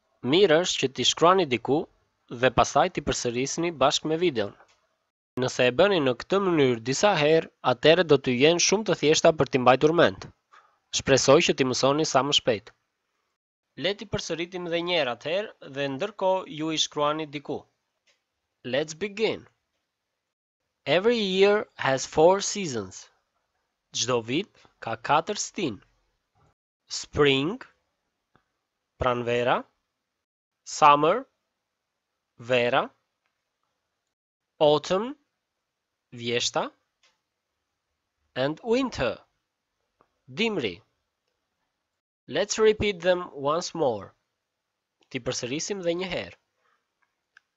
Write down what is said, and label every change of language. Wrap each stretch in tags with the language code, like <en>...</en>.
<sq>Mirë është që t'i shkruani diku dhe pasaj t'i përsërisni bashkë me videon. Nëse e bëni në këtë mënyrë disa herë, atëherë do t'ju jenë shumë të thjeshta për t'i mbajtur mend. Shpresoj që t'i mësoni sa më shpejt. Le t'i përsëritim edhe një herë atëherë dhe ndërkohë ju i shkruani diku.</sq> <en>Let's begin. Every year has four seasons.</en> <sq>Çdo vit ka katër stin. Spring, pranvera, summer, vera, autumn, vjeshta, and winter, dimri.</sq> <en>Let's repeat them once more.</en> <sq>Ti përsërisim dhe një herë.</sq>